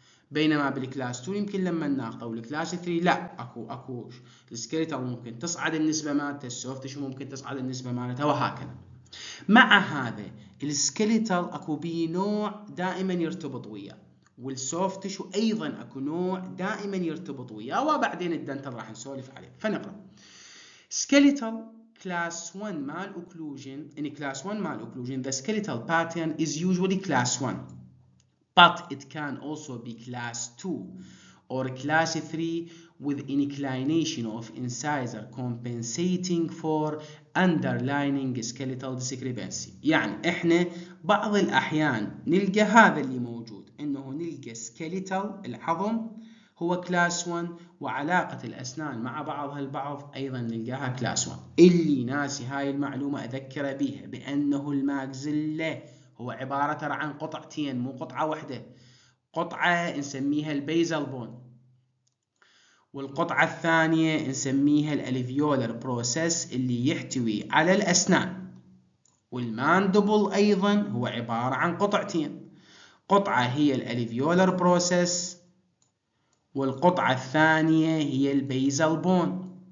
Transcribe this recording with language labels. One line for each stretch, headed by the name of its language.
Arabic: بينما بالكلاس 2 يمكن لما الناقه، والكلاس 3 لا، اكو السكيلتر ممكن تصعد النسبه مالته، السوفت شو ممكن تصعد النسبه مالته، وهكذا. مع هذا السكيلتر اكو بيه نوع دائما يرتبط وياه، والسوفت شو ايضا اكو نوع دائما يرتبط وياه، وبعدين الدنتال راح نسولف عليه. فنقرا
English: Skeletal class 1 مال occlusion, in class 1 مال occlusion the skeletal pattern is usually class 1 but it can also be class 2 or class 3 with inclination of incisor compensating for underlining skeletal discrepancy.
Arabic: يعني احنا بعض الاحيان نلقى هذا اللي موجود، انه نلقى skeletal العظم هو class 1 وعلاقة الاسنان مع بعضها البعض ايضا نلقاها class 1. اللي ناسي هاي المعلومة اذكر بيها بانه الماكسيلا هو عبارة عن قطعتين مو قطعة واحدة، قطعة نسميها البيزل بون، والقطعة الثانية نسميها الاليفيولر بروسيس اللي يحتوي على الأسنان، والماندبل أيضا هو عبارة عن قطعتين، قطعة هي الاليفيولر بروسيس والقطعة الثانية هي البيزل بون.